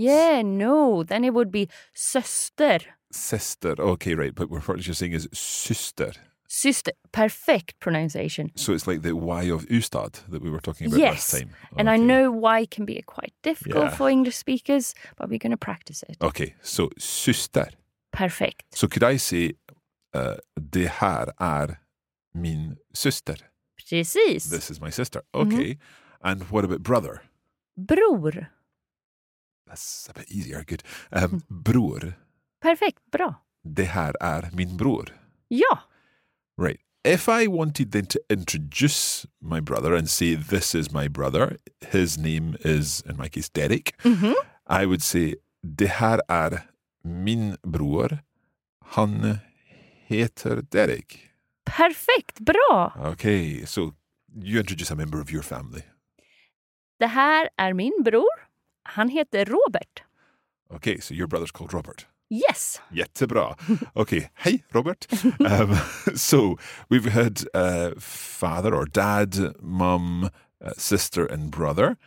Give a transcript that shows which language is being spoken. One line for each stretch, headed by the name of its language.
English: Yeah, no. Then it would be syster. Syster. Okay, right. But what you're saying is syster. Syster. Perfect pronunciation. So it's like the Y of Ustad that we were talking about yes. last time. And okay. I know Y can be quite difficult yeah. for English speakers, but we're going to practice it. Okay, so syster. Perfect. So could I say,
Swedish: det här är min syster? Precis.
English: This is my sister. Okay. Mm-hmm. And what about brother?
Swedish: Bror.
English: That's a bit easier, good. Bror. Perfect, bra.
Swedish: Det här är min bror. Ja.
English: Right. If I wanted then to introduce my brother and say, this is my brother, his name is, in my case, Derek, mm-hmm. I would say,
Swedish: det här är min bror, han heter Derek.
English: Perfect, bra. Okay, so you introduce a member of your family.
Swedish: Det här är min bror. Han heter Robert.
English: Okay, so your brother's called Robert. Yes.
Swedish: Jättebra. Okay, hej Robert.
English: So we've had father or dad, mum, sister and brother.